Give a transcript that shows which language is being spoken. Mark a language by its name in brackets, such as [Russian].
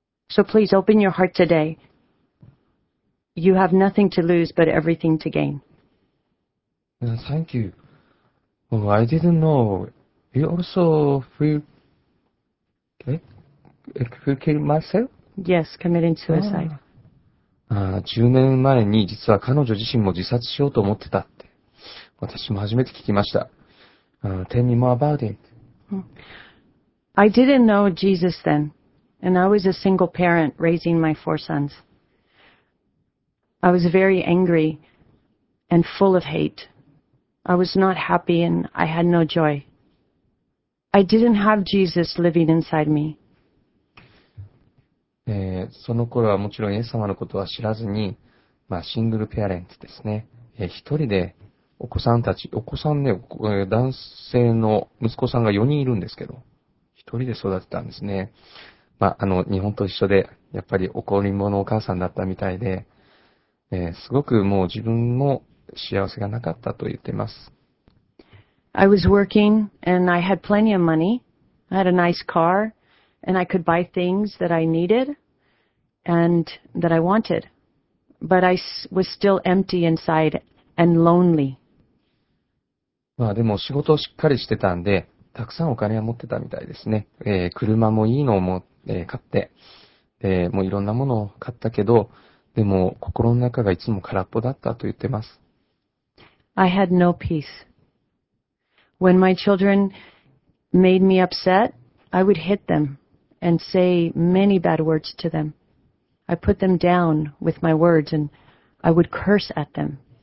[English] So please open your heart today. You have nothing to lose but everything to gain. Thank you. Well, I didn't know. You also feel... Okay. Who killed myself? Yes, committing suicide. [Japanese] Ah, 10年前に実は彼女自身も自殺しようと思ってたって私も初めて聞きました。 [English] Tell me more about it. I didn't know Jesus then, and I was a single parent raising my 4 sons. I was very angry and full of hate. I was not happy and I had no joy. I didn't have Jesus living inside me. [Japanese] その頃はもちろんイエス様のことは知らずに、まあ、シングルペアレントですね、一人でお子さんたち、お子さんね、男性の息子さんが4人いるんですけど、一人で育てたんですね。まあ、日本と一緒で、やっぱり怒り者のお母さんだったみたいで、すごくもう自分も幸せがなかったと言ってます。 [English] I was working and I had plenty of money. I had a nice car. And I could buy things that I needed and that I wanted. But I was still empty inside and lonely. [Japanese] まあでも仕事をしっかりしてたんで、たくさんお金は持ってたみたいですね。車もいいのも、買って、もういろんなものを買ったけど、でも心の中がいつも空っぽだったと言ってます。 [English] I had no peace. When my children made me upset, I would hit them. And say many bad words to them. I put them down with my words and I would curse at them.